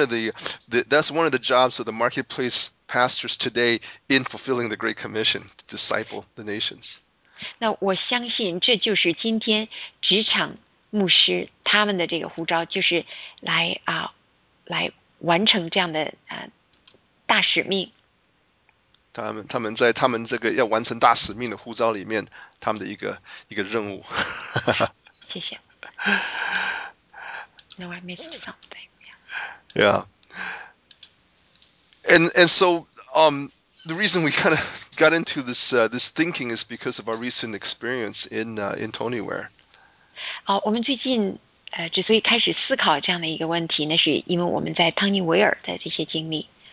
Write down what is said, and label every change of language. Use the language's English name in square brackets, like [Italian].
[English] And that's one of the jobs of the marketplace pastors today in fulfilling the Great Commission to disciple the nations. [Chinese] 那我相信这就是今天职场牧师他们的这个呼召，就是来完成这样的大使命。他们在他们这个要完成大使命的呼召里面，他们的一个任务。谢谢。 [English] No, I missed something. And so the reason we kind of got into this thinking is because of our recent experience in Tonyware. [Chinese] 我们最近之所以开始思考这样的一个问题呢，是因为我们在汤尼维尔的这些经历。